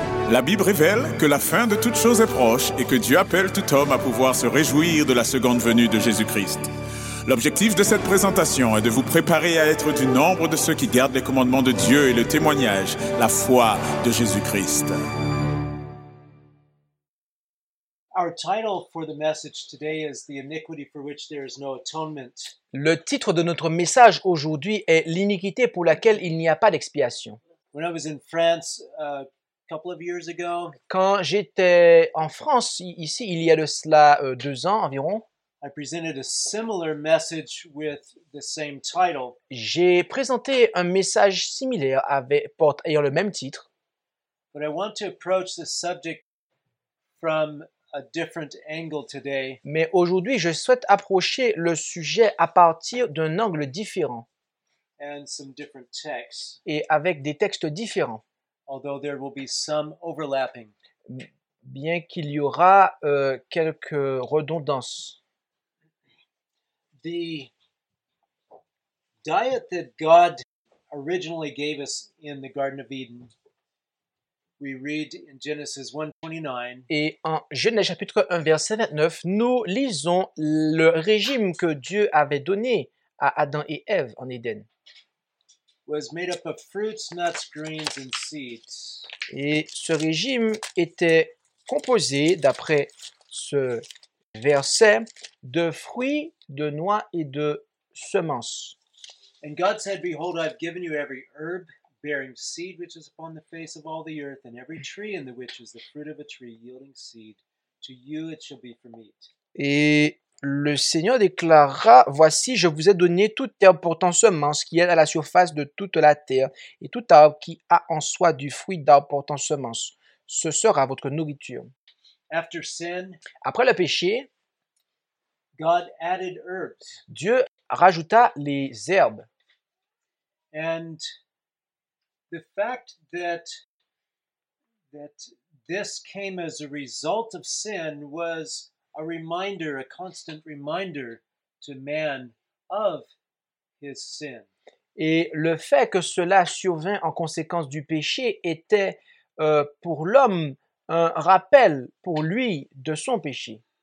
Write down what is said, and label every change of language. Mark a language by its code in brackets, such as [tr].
[fr] La Bible révèle que la fin de toutes choses est proche et que Dieu appelle tout homme à pouvoir se réjouir de la seconde venue de Jésus-Christ. L'objectif de cette présentation est de vous préparer à être du nombre de ceux qui gardent les commandements de Dieu et le témoignage, la foi de Jésus-Christ. [en] Our title for the message today is the iniquity for which there is no atonement. [fr] Le titre de notre message aujourd'hui est l'iniquité pour laquelle il n'y a pas d'expiation. [en] When I was in France a couple of years ago, [fr] quand j'étais en France ici il y a de cela 2 ans environ, [en] I presented a similar message with the same title. [fr] J'ai présenté un message similaire avec ayant le même titre. [en] But I want to approach the subject from a different angle today. [fr] Mais aujourd'hui, je souhaite approcher le sujet à partir d'un angle différent. [en] And some different texts. [fr] Et avec des textes différents. [en] Although there will be some overlapping. [fr] Bien qu'il y aura quelques redondances. [en] The diet that God originally gave us in the Garden of Eden. We read in Genesis 1:29. [fr] Et en Genèse chapitre 1 verset 29, nous lisons le régime que Dieu avait donné à Adam et Ève en Éden. [en] Was made up of fruits, nuts, grains and seeds. [fr] Et ce régime était composé d'après ce verset de fruits, de noix et de semences. [en] And God said, behold, I've given you every herb bearing seed which is upon the face of all the earth, and every tree in the which is the fruit of a tree yielding seed, to you it shall be for meat. [fr] Et le Seigneur déclara, voici, je vous ai donné toute herbe portant semence qui est à la surface de toute la terre, et toute arbre qui a en soi du fruit d'arbre portant semence. Ce sera votre nourriture. [en] After sin, [fr] après le péché, [en] God added herbs. [fr] Dieu rajouta les herbes. [en] And the fact that this came as a result of sin was a reminder, a constant reminder to man of his sin. [fr] Et le fait que cela survint en conséquence du péché était pour l'homme un rappel pour lui de son péché.